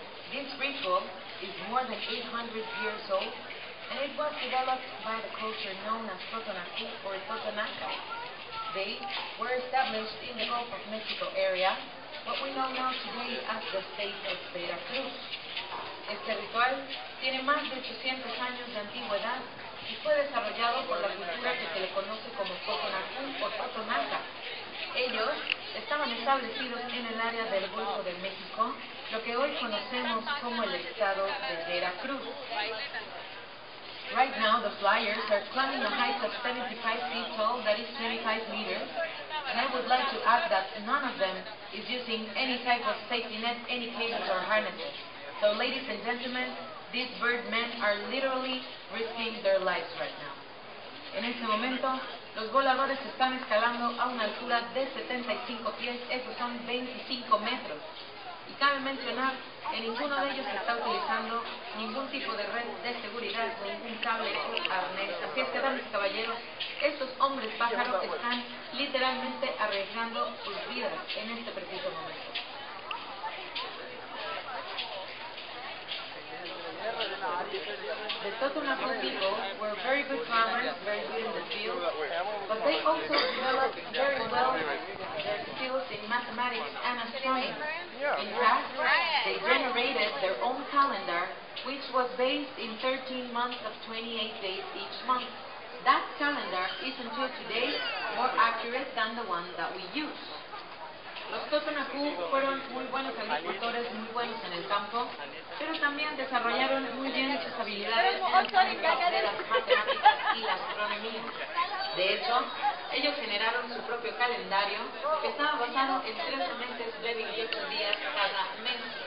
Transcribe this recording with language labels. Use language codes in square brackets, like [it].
[en] This ritual is more than 800 years old, and it was developed by the culture known as Totonaca or Totonaca. They were established in the Gulf of Mexico area, what we know now today as the state of Veracruz. [es] Este ritual tiene más de 800 años de antigüedad y fue desarrollado por la cultura que se le conoce como Totonaca o Totonaca. Ellos estaban establecidos en el área del Golfo de México, lo que hoy conocemos como el estado de Veracruz. [en] Right now, the flyers are climbing a height of 75 feet tall, that is 25 meters. And I would like to add that none of them is using any type of safety net, any cages or harnesses. So, ladies and gentlemen, these birdmen are literally risking their lives right now. [es] En este momento, los voladores están escalando a una altura de 75 pies, esos son 25 metros. Y cabe mencionar que ninguno de ellos está utilizando ningún tipo de red de seguridad, ningún cable o arnés. Así es que, damas y caballeros, estos hombres pájaros están literalmente arriesgando sus vidas en este preciso momento. [en] The Totonaca people were very good farmers, very good in the field, but they also developed very well their skills in mathematics and astronomy. In fact, they generated their own calendar, which was based in 13 months of 28 days each month. That calendar is until today more accurate than the one that we use. [es] Los Totonaca fueron muy buenos agricultores, muy buenos en el campo, pero también desarrollaron muy bien sus habilidades en las matemáticas y la astronomía. De hecho, ellos generaron su propio calendario que estaba basado en 13 meses de 28 días cada mes.